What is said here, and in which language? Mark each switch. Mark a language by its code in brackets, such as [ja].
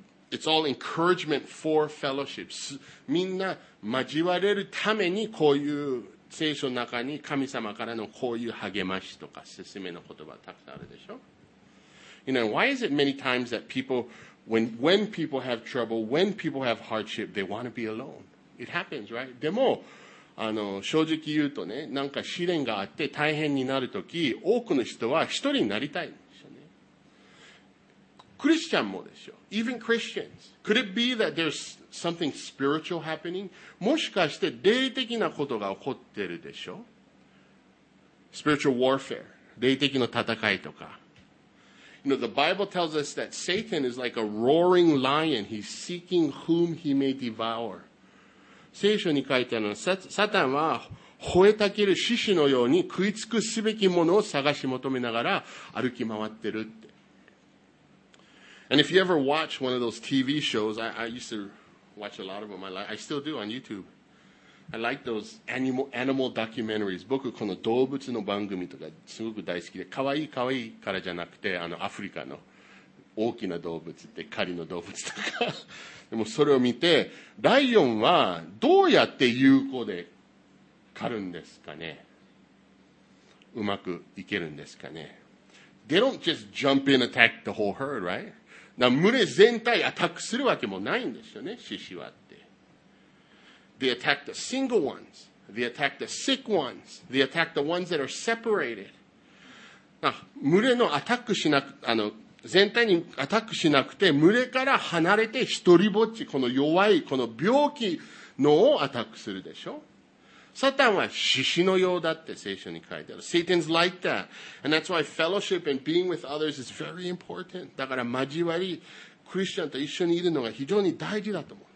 [en] It's all encouragement for fellowship. [ja] みんな交われるためにこういう聖書の中に神様からのこういう励ましとか勧めの言葉たくさんあるでしょ。 [en] You know, why is it many times that people, when people have trouble, when people have hardship, they want to be alone? It happens, right? [ja] でも、正直言うとね、なんか試練があって大変になるとき、多くの人は一人になりたい。クリスチャンもですよ。 [en] Even Christians. Could it be that there's something spiritual happening? [ja] もしかして霊的なことが起こってるでしょ? [en] Spiritual warfare. [ja] 霊的な戦いとか。 [en] You know, the Bible tells us that Satan is like a roaring lion. He's seeking whom he may devour. [ja] 聖書に書いてあるのは、サタンは吠えたける獅子のように食いつくすべきものを探し求めながら歩き回ってるって。 [en] And if you ever watch one of those TV shows, I used to watch a lot of them. I still do on YouTube. I like those animal documentaries. [ja] 僕この動物の番組とかすごく大好きで、かわいいかわいいからじゃなくて、アフリカの大きな動物って狩りの動物とか。でもそれを見て、ライオンはどうやって有効で狩るんですかね。うまくいけるんですかね。 [en] They don't just jump in attack the whole herd, right? [ja] な群れ全体アタックするわけもないんですよね、獅子はって。 [en] They attack the single ones. They attack the sick ones. They attack the ones that are separated. [ja] な群れのアタックしなく、全体にアタックしなくて、群れから離れて一人ぼっち、この弱い、この病気のをアタックするでしょ。サタンは獅子のようだって聖書に書いてある。 [en] Satan's like that. And that's why fellowship and being with others is very important. [ja] だから交わり、クリスチャンと一緒にいるのが非常に大事だと思う。